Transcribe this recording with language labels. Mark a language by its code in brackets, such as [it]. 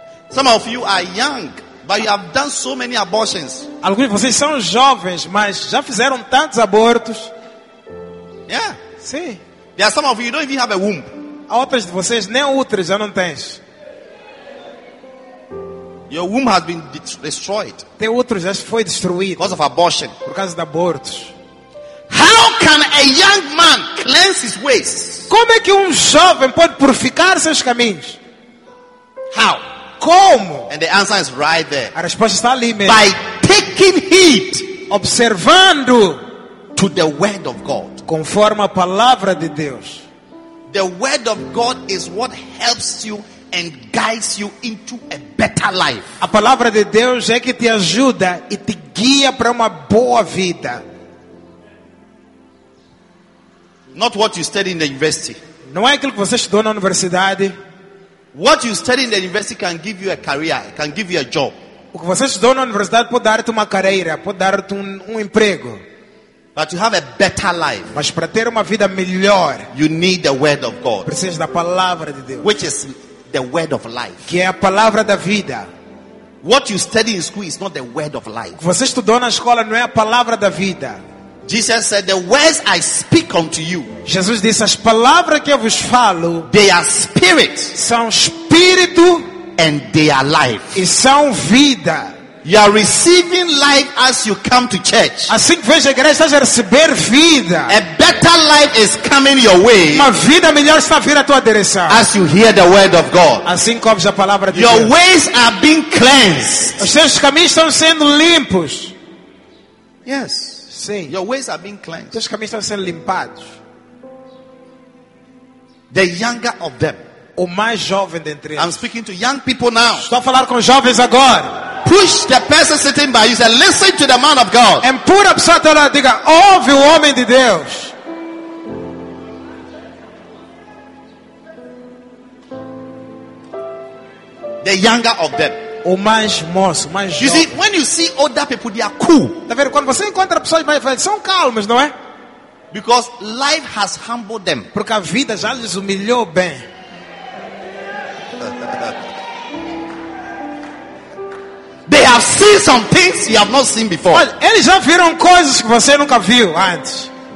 [en] Some of you are young, but you have done so many abortions. [pt] Alguns de vocês são jovens, mas já fizeram tantos abortos. [en] Yeah. [pt] Sim. [en] There are some of you, you don't even have a womb. [pt] Há outras de vocês nem útero já não tens. [en] Your womb has been destroyed. [pt] Teu útero já foi destruído. [en] Because of abortion. [pt] Por causa de abortos. [en] How can a young man cleanse his ways? [pt] Como é que jovem pode purificar seus caminhos? [en] How? [pt] Como? [en] And the answer is right there. [pt] A resposta está ali mesmo. [en] By taking heed, [pt] observando [en] to the word of God. [pt] Conforme a palavra de Deus. [en] The word of God is what helps you and guides you into a better life. [pt] A palavra de Deus é que te ajuda e te guia para uma boa vida. [en] Not what you study in the university. [pt] Não é aquilo que você estudou na universidade. [en] What you study in the university can give you a career, can give you a job. [pt] O que você estudou na universidade pode dar-te uma carreira, pode dar-te emprego. [en] But to have a better life, [pt] mas para ter uma vida melhor, [en] you need the word of God. [pt] Precisa da palavra de Deus. [en] Which is the word of life. [pt] Que é a palavra da vida. [en] What you study in school is not the word of life. [pt] O que você estudou na escola não é a palavra da vida. [en] Jesus said, "The words I speak unto you." [pt] Jesus disse, as palavras que eu vos falo, [en] they are spirit. [pt] São espírito, [en] and they are life. [pt] E são vida. [en] You are receiving life as you come to church. [pt] Assim que vejo a igreja, estás a receber vida. [en] A better life is coming your way. [pt] Uma vida melhor está a vir à tua direção. [en] As you hear the word of God. [pt] Assim que ouves a palavra de Deus. [en] Your ways are being cleansed. [pt] Os seus caminhos estão sendo limpos. [en] Yes. [pt] Sim. [en] Your ways are being cleansed. [pt] Os caminhos estão sendo limpados. [en] The younger of them. [pt] O mais jovem dentre eles. [en] I'm speaking to young people now. [pt] Estou a falar com jovens agora. [en] Push the person sitting by you and listen to the man of God. [pt] And put up satana diga, ouve o homem de Deus. [en] The younger of them. [pt] O mais moço, mais jovem. [en] You see, when you see older people, they are cool. [pt] Tá vendo? Quando você encontra pessoas mais velhas, são calmas, não é? [en] Because life has humbled them. [pt] Porque a vida já lhes humilhou bem. [en] They have seen some things you have not seen before. [pt] Mas eles já viram coisas que você nunca viu antes.